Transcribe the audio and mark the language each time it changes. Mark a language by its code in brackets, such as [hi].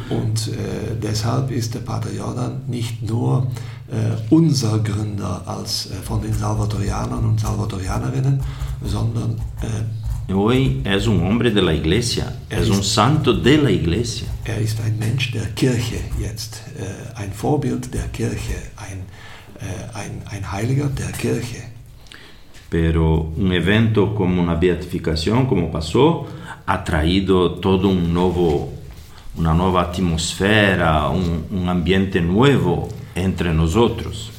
[de] Und deshalb ist der Padre Jordan nicht nur unser Gründer als von den Salvatorianern und Salvatorianerinnen, sondern [es] hoy es un hombre de la Iglesia, es un santo de la Iglesia. [de] Er ist ein Mensch der Kirche jetzt, ein Vorbild der Kirche, ein Heiliger der Kirche. [es] Pero un evento como una beatificación, como pasó, ha traído todo un nuevo, una nueva atmósfera, un ambiente nuevo entre nosotros.